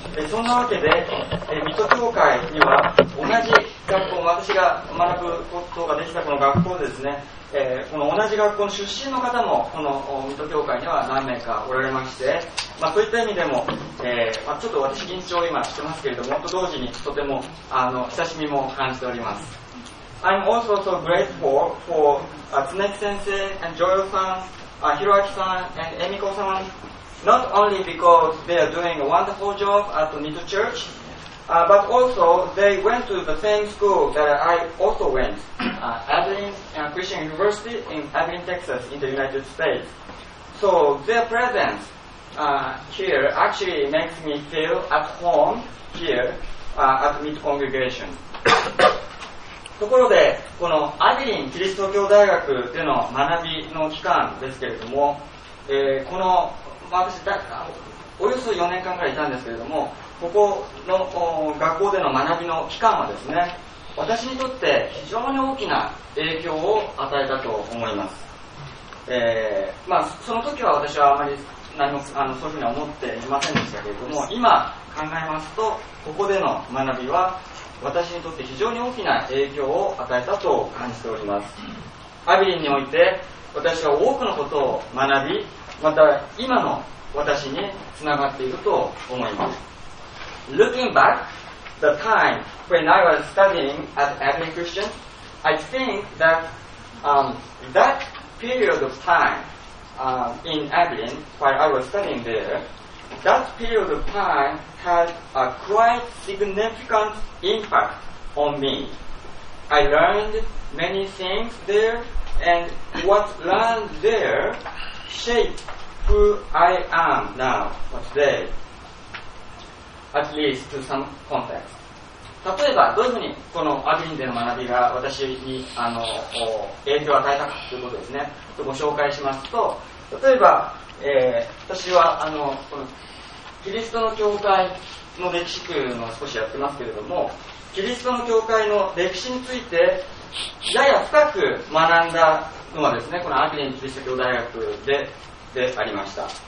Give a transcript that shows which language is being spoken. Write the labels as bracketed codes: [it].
[ja] そんなわけで、水戸教会には同じ学校、私が学ぶことができたこの学校でですね、この同じ学校の出身の方もこの水戸教会には何名かおられまして、まあ、そういった意味でも、ちょっと私緊張を今してますけれども、と同時にとても親しみも感じております。 [en] I'm also so grateful for Tsuneki-sensei and Joel-san, Hiroaki-san and Emiko-san, not only because they are doing a wonderful job at the Mito Church, but also they went to the same school that I also went, Abilene Christian University in Abilene, Texas in the United States. So their presence here actually makes me feel at home here at the Mito Congregation. [ja] ところで、このアビリンキリスト教大学での学びの期間ですけれども、この、まあ、私およそ4年間くらいいたんですけれども、ここの学校での学びの期間はですね、私にとって非常に大きな影響を与えたと思います。その時は私はあまり何もそういうふうに思っていませんでしたけれども、今考えますと、ここでの学びは私にとって非常に大きな影響を与えたと感じております。アビリンにおいて私は多くのことを学び、また今の私につながっていると思います。 [en] Looking back the time when I was studying at Abilene Christian, I think that that period of time in Abilene while I was studying thereThat period of time had a quite significant impact on me. I learned many things there, and what learned there shaped who I am now, today, at least to some context. [ja] 例えばどういうふうにこのアビリンでの学びが私に影響を与えたかということですね、ご紹介しますと、例えば、私はこのキリストの教会の歴史というのを少しやってますけれども、キリストの教会の歴史についてやや深く学んだのはですね、このアテネキリスト教大学 でありました。